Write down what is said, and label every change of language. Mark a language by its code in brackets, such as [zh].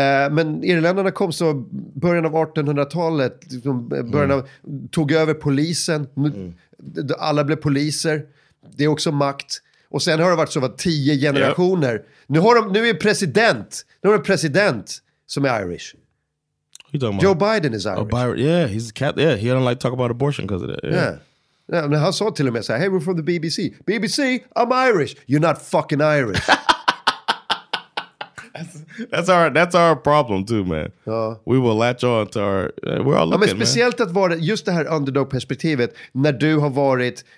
[sv] Men irländarna kom så början av 1800-talet liksom, början av, tog över polisen. Alla blev poliser. Det är också makt. Och sen har det varit så att 10 generationer nu är president som är Irish. [en] Joe Biden is Irish. He don't like to talk about abortion because of that. Yeah. [sv] Han sa till och med så här, [en] hey, we're from the BBC. BBC, I'm Irish. You're not fucking Irish. that's our problem too, man. Ja. We will latch on to our... We're all looking, [sv] men speciellt [en] man. [sv] Att vara just det här underdog-perspektivet när du har varit...